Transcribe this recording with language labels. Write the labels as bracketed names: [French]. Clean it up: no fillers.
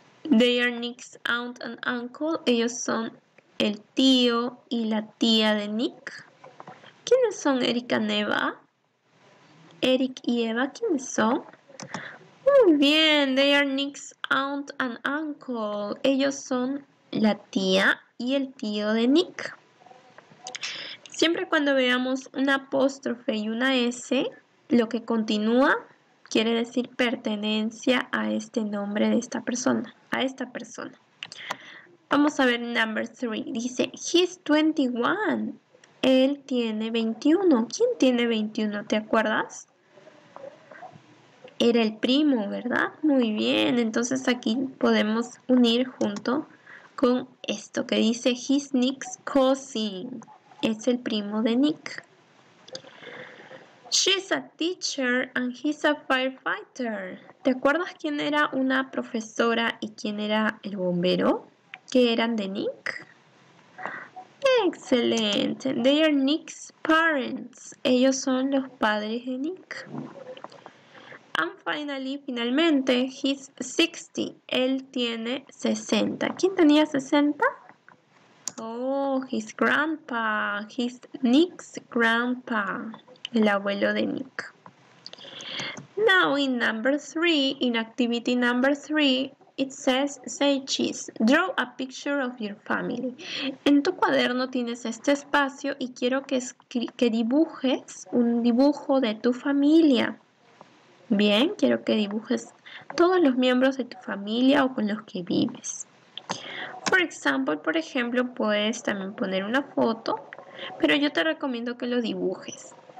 [English] They are Nick's aunt and uncle. [Spanish] Ellos son el tío y la tía de Nick. ¿Quiénes son Eric y Eva? Eric y Eva, ¿quiénes son? Muy bien, [English] they are Nick's aunt and uncle. [Spanish] Ellos son la tía y el tío de Nick. Siempre cuando veamos una apóstrofe y una S, lo que continúa quiere decir pertenencia a este nombre de esta persona, a esta persona. Vamos a ver [English] number 3. [Spanish] Dice, [English] he's 21. [Spanish] Él tiene 21. ¿Quién tiene 21? ¿Te acuerdas? Era el primo, ¿verdad? Muy bien. Entonces aquí podemos unir junto con esto que dice, [English] he's Nick's cousin. [Spanish] Es el primo de Nick. [English] She's a teacher and he's a firefighter. [Spanish] ¿Te acuerdas quién era una profesora y quién era el bombero? ¿Qué eran de Nick? Excelente. [English] They are Nick's parents. [Spanish] Ellos son los padres de Nick. [English] And finally, [Spanish] finalmente, [English] he's 60. [Spanish] Él tiene 60. ¿Quién tenía 60? [English] Oh, his grandpa. He's Nick's grandpa. [Spanish] El abuelo de Nick. [English] Now in number 3, in activity number 3, it says, say cheese. Draw a picture of your family. [Spanish] En tu cuaderno tienes este espacio y quiero que dibujes un dibujo de tu familia. Bien, quiero que dibujes todos los miembros de tu familia o con los que vives. [English] For example, [Spanish] por ejemplo, puedes también poner una foto, pero yo te recomiendo que lo dibujes.